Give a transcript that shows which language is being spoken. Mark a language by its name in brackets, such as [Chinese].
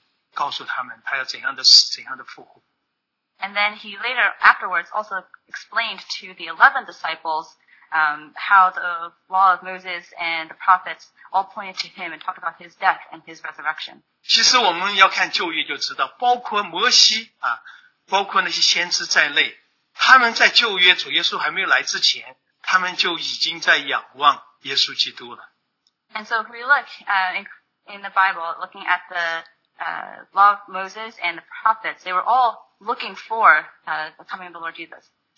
[Chinese] 然后主耶稣接下来又跟11个门徒，最重要的就是紧跟随耶稣的门徒，再次把先知书、摩西书和先知书上所写的关于他自己的事情告诉他们，他要怎样的死，怎样的复活。 [English] And then he later, afterwards, also explained to the 11 disciples how the law of Moses and the prophets all pointed to him and talked about his death and his resurrection. [Chinese] 其实我们要看旧约就知道，包括摩西啊，包括那些先知在内，他们在旧约主耶稣还没有来之前，他们就已经在仰望耶稣基督了。 [English] And so if we look in the Bible, looking at the law of Moses and the prophets, they were all looking for the coming of the Lord Jesus.